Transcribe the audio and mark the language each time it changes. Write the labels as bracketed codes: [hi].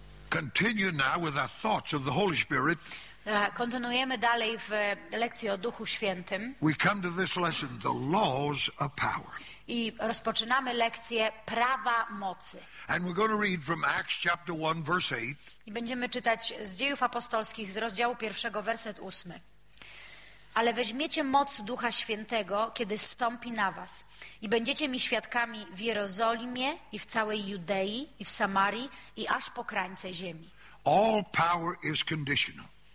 [en] continue now with our thoughts of the Holy Spirit. [pl] Kontynuujemy dalej w lekcji o Duchu Świętym. [en] We come to this lesson, the laws of power. [pl] I rozpoczynamy lekcję prawa mocy. [en] And we're going to read from Acts chapter 1, verse 8. [pl] I będziemy czytać z Dziejów Apostolskich z rozdziału 1, werset 8. Ale weźmiecie moc Ducha Świętego, kiedy zstąpi na was, i będziecie mi świadkami w Jerozolimie i w całej Judei i w Samarii i aż po krańce ziemi. [en] All power is conditional.